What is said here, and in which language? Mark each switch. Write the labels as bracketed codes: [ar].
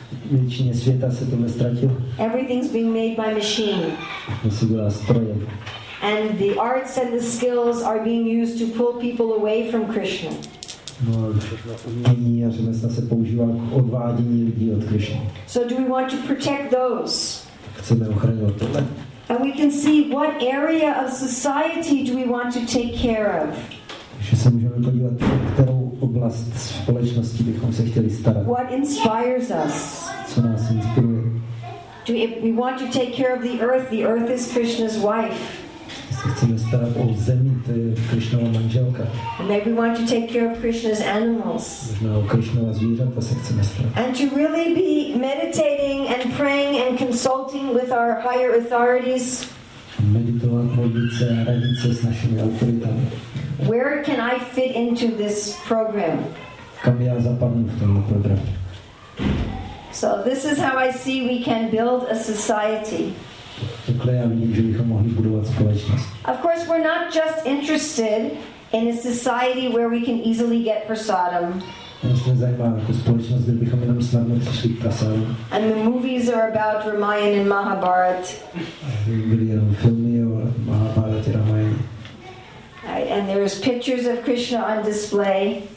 [cs] Většině světa se tohle ztratilo. [en] Everything's being made by machine. [cs] To se dělá strojem. [en] And the arts and the skills are being used to pull people away from Krishna. [cs] No, umění a řemesla se používá k odvádění lidí od Krishna. [en] So do we want to protect those? [cs] Chceme ochránit tohle. [en] And we can see what area of society do we want to take care of. [cs] Že se můžeme podívat, kterou oblast společnosti bychom se chtěli starat. [en] What inspires us? [cs] Co nás inspiruje? [en] Do we want to take care of the earth is Krishna's wife. [cs] se chceme starat o zemi, to je Krishnova manželka. [en] And maybe we want to take care of Krishna's animals. [cs] Možná o Krishnova zvířata se chceme starat. [en] And to really be meditating and praying and consulting with our higher authorities. [cs] Meditovat, modlit se a radit se s našimi autoritami. [en] Where can I fit into this program? [cs] Kam já zapadnu v tomto programu? [en] So this is how I see we can build a society. [cs] Takhle já vidím, že bychom mohli budovat společnost. [en] Of course, we're not just interested in a society where we can easily get prasadam. [cs] Jsme zajímáme jako společnost, kde bychom jenom snadno přišli k prasadam. [en] And the movies are about Ramayana and Mahabharat. [cs] Byly jenom filmy o Mahabharata a Ramayana. [en] And there is pictures of Krishna on display.